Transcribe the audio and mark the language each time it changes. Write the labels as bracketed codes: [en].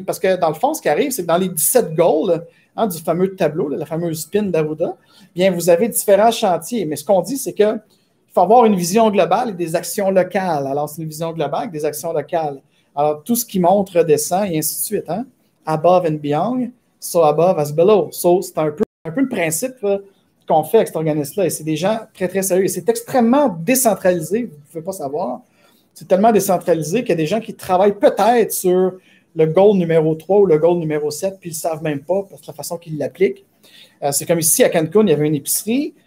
[fr] Parce que dans le fond, ce qui arrive, c'est que dans les 17 goals, hein, du fameux tableau, la fameuse spin d'Arruda, bien, vous avez différents chantiers. Mais ce qu'on dit, c'est qu'il faut avoir une vision globale et des actions locales. Alors, c'est une vision globale avec des actions locales. Alors, tout ce qui montre descend et ainsi de suite. Hein? [en] Above and beyond, so above as below. [fr] So, c'est un peu le principe qu'on fait avec cet organisme-là. Et c'est des gens très, très sérieux. Et c'est extrêmement décentralisé, vous ne pouvez pas savoir. C'est tellement décentralisé qu'il y a des gens qui travaillent peut-être sur le goal numéro 3 ou le goal numéro 7, puis ils ne savent même pas parce que la façon qu'ils l'appliquent. C'est comme ici, à Cancun, il y avait une épicerie.